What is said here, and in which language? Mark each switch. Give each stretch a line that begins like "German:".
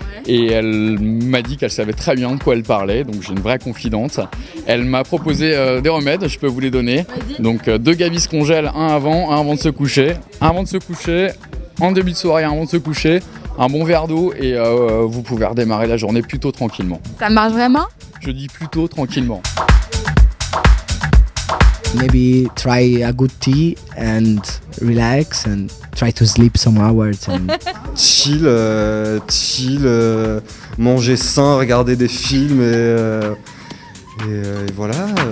French: Et elle m'a dit qu'elle savait très bien de quoi elle parlait, donc j'ai une vraie confidente. Elle m'a proposé des remèdes, je peux vous les donner. Donc deux gavis congèle, un avant de se coucher. Un avant de se coucher, en début de soirée, un avant de se coucher. Un bon verre d'eau et vous pouvez redémarrer la journée plutôt tranquillement. Ça marche vraiment ? Je dis plutôt tranquillement.
English: Maybe try a good tea and relax and try to sleep some hours. And...
French: Chill, manger sain, regarder des films et voilà.